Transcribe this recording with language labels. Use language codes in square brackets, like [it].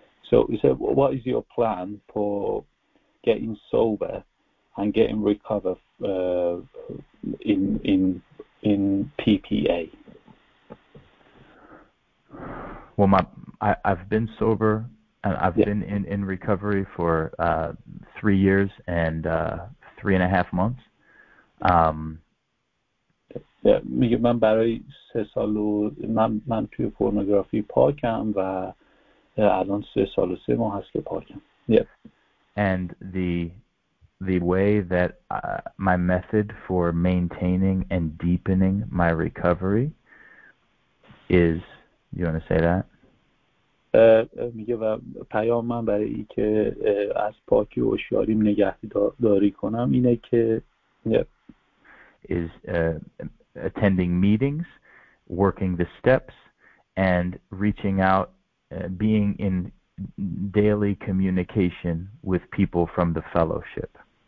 [en] So he said, what is your plan for getting sober and getting recovered in PPA? Well, I've been sober and I've been in recovery for 3 years and 3.5 months. [fa] میگه من برای 3 سال و من توی پورنوگرافی پاکم و الان 3 سال و 3 ماه هست که پاکم. [en] And the way that my method for maintaining and deepening my recovery is, you want to say that? [fa] میگه و پیام من برای این که از پاکی و هوشیاریم نگهداری کنم اینه که [en] is attending meetings, working the steps, and reaching out, being in daily communication with people from the fellowship.